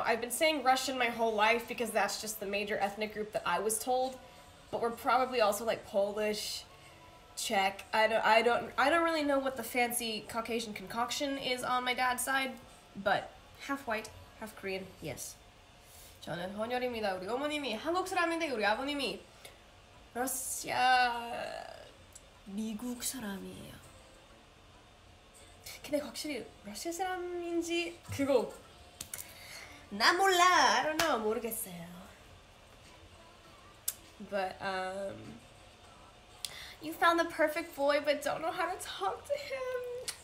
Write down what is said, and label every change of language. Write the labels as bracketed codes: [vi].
[en] I've been saying Russian my whole life because that's just the major ethnic group that I was told. But we're probably also like Polish, Czech. I don't really know what the fancy Caucasian concoction is on my dad's side, but half white. Half Korean, yes. [ko] 저는 헌혈입니다. 우리 어머님이 한국 사람인데 우리 아버님이 러시아 미국 사람이에요. 근데 확실히 러시아 사람인지 그거 나 몰라. [en] I don't know. [ko] 모르겠어요. [en] But you found the perfect boy, but don't know how to talk to him.